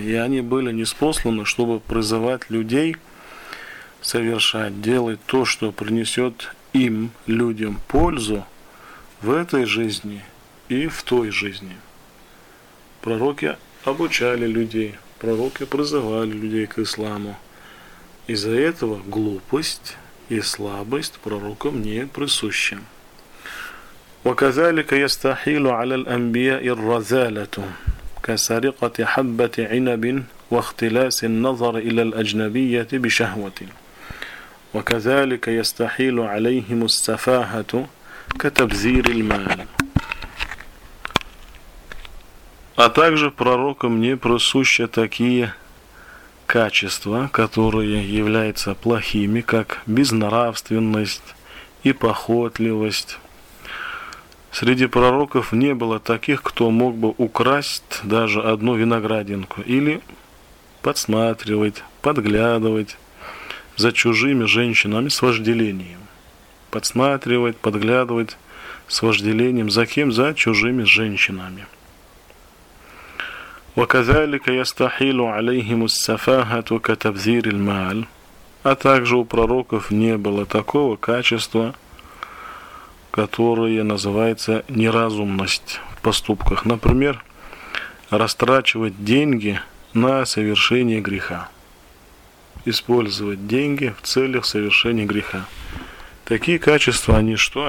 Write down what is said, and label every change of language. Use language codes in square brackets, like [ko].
[ru] И они были ниспосланы, чтобы призывать людей совершать, делать то, что принесет им, людям, пользу в этой жизни и в той жизни. Пророки обучали людей, пророки призывали людей к исламу. Из-за этого глупость и слабость пророкам не присущи. [ar] وكذلك يستحيل على الأنبياء الرذالة كسرقة حبة عنب واختلاس النظر إلى الأجنبية بشهوة. وكذلك يستحيل عليهم السفاهة كتبذير المال. [ru] А также пророкам не присущи такие качества, которые являются плохими, как безнравственность и похотливость, среди пророков не было таких, кто мог бы украсть даже одну виноградинку или подсматривать, подглядывать за чужими женщинами с вожделением. Подсматривать, подглядывать с вожделением за кем? За чужими женщинами. [ar] وكذلك يستحيل عليهم السفاهة كتبذير المال. [ru] А также у пророков не было такого качества, которое называется неразумность в поступках. Например, растрачивать деньги на совершение греха. Использовать деньги в целях совершения греха. Такие качества, они что?